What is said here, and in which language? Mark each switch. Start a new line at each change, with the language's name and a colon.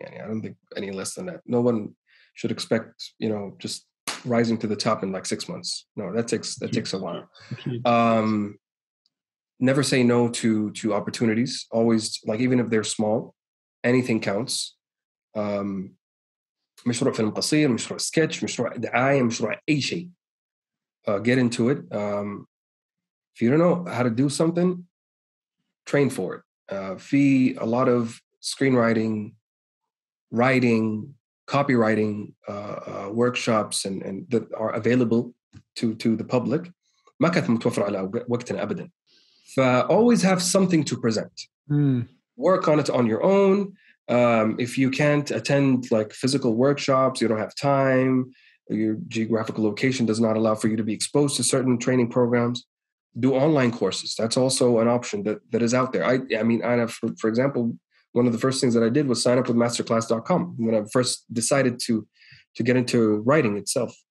English: I don't think any less than that. No one should expect, just rising to the top in like 6 months. No, that takes a while. Never say no to opportunities. Always, like even if they're small, anything counts.
Arabic: مشروع فيلم قصير, مشروع sketch, مشروع دعاية, مشروع أي شيء.
English: Get into it. If you don't know how to do something, train for it. A lot of screenwriting, writing, copywriting workshops and that are available to the public.
Arabic: ما كانت متوفرة على وقتنا أبدا.
English: Always have something to present. Work on it on your own. If you can't attend like physical workshops, you don't have time, your geographical location does not allow for you to be exposed to certain training programs, do online courses. That's also an option that is out there. For example, one of the first things that I did was sign up with masterclass.com when I first decided to get into writing itself.